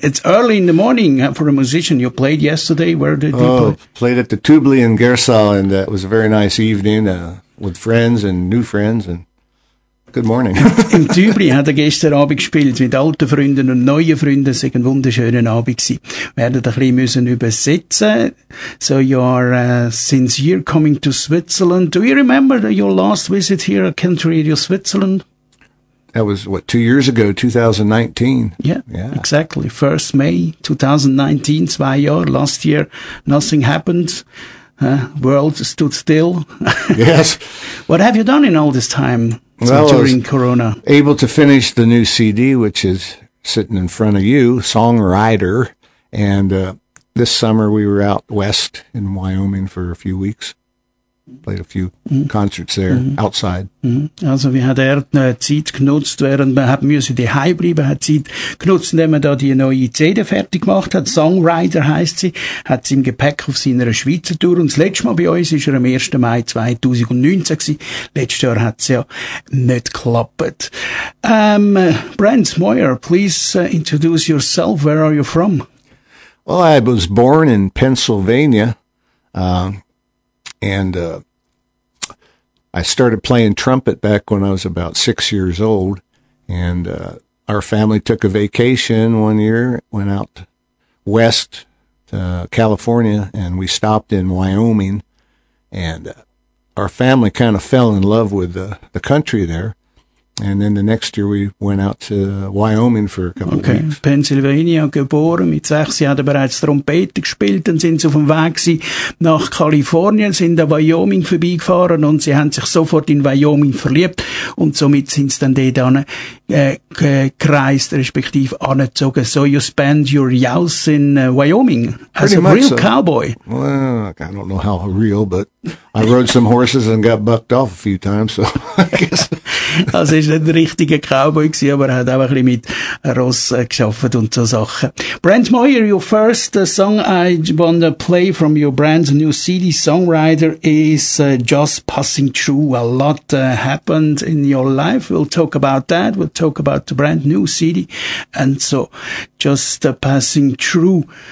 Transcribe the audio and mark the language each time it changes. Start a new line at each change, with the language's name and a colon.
English: It's early in the morning for a musician. You played yesterday. Where did you play? Played at the Tubli in Gersau, and it was a very nice evening with friends and new friends and good morning.
German: Im Tübli hat er gestern Abend gespielt mit alten Freunden und neuen Freunden. Es war ein wunderschöner Abend. Wir werden ein bisschen übersetzen.
English: So you are, since you're coming to Switzerland, do you remember your last visit here at Country Radio Switzerland? That was, 2 years ago, 2019. Yeah, exactly. 1st May 2019,
German: 2 Jahre.
English: Last year, nothing happened. World stood still. Yes. What have you done in all this time? Well, during Corona, able to finish the new CD, which is sitting in front of you, Songwriter. And this summer we were out west in Wyoming for a few weeks, played a few concerts there outside. Mm-hmm.
German: Also, we had Zeit genutzt, während man hat müssen die Heimbleiben, hat Zeit genutzt, indem man da die neue CD fertig gemacht hat. Songwriter heißt sie, hat sie im Gepäck auf seiner Schweizer Tour. Und das letzte Mal bei uns war er am 1. Mai 2019 gewesen. Letztes Jahr hat es ja nicht geklappt.
English: Brent Moyer, please introduce yourself. Where are you from? Well, I was born in Pennsylvania. I started playing trumpet back when I was about 6 years old, and our family took a vacation one year, went out west to California, and we stopped in Wyoming, and our family kind of fell in love with the country there. And then the next year we went out to Wyoming for a couple of weeks.
German: Okay, Pennsylvania geboren. Mit 6 hat er bereits Trompete gespielt und sind sie auf dem Weg gewesen nach Kalifornien, sind an Wyoming vorbeigefahren und sie haben sich sofort in Wyoming verliebt und somit sind sie dann dort gekreist, respektive angezogen.
English: So you spend your youth in Wyoming as pretty a real so. Cowboy. Well, I don't know how real, but I rode some horses and got bucked off a few times, so I guess.
German: Also ist nicht ein richtiger Cowboy gewesen, aber er hat auch ein bisschen mit Ross geschafft und so Sachen.
English: Brent Moyer, your first song I want to play from your brand new CD Songwriter is Just Passing Through. A lot happened in your life. We'll talk about that. We'll talk about the brand new CD. And so Just Passing Through.